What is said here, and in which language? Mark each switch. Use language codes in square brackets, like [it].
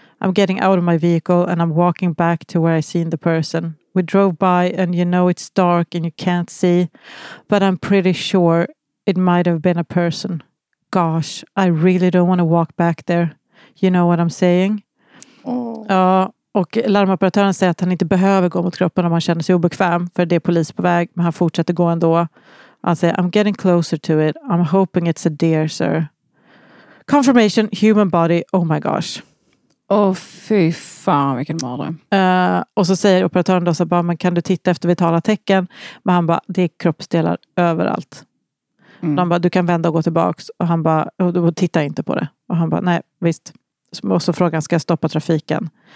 [en] I'm getting out of my vehicle and I'm walking back to where I seen the person. We drove by and you know it's dark and you can't see, but I'm pretty sure it might have been a person. Gosh, I really don't want to walk back there. You know what I'm saying? Oh. [sv] Ja, och larmoperatören säger att han inte behöver gå mot kroppen om han känner sig obekväm, för det är polis på väg, men han fortsätter gå ändå. [en] Han säger, I'm getting closer to it. I'm hoping it's a deer, sir. Confirmation, human body, oh my gosh. [sv] Åh, fy fan, vilken mål. Och så säger operatören då, så bara, men kan du titta efter vitala tecken? Men han bara, det är kroppsdelar överallt. Mm. De bara, du kan vända och gå tillbaks. Och han bara, och du tittar inte på det. Och han bara, nej, visst. Och så frågar han, ska jag stoppa trafiken?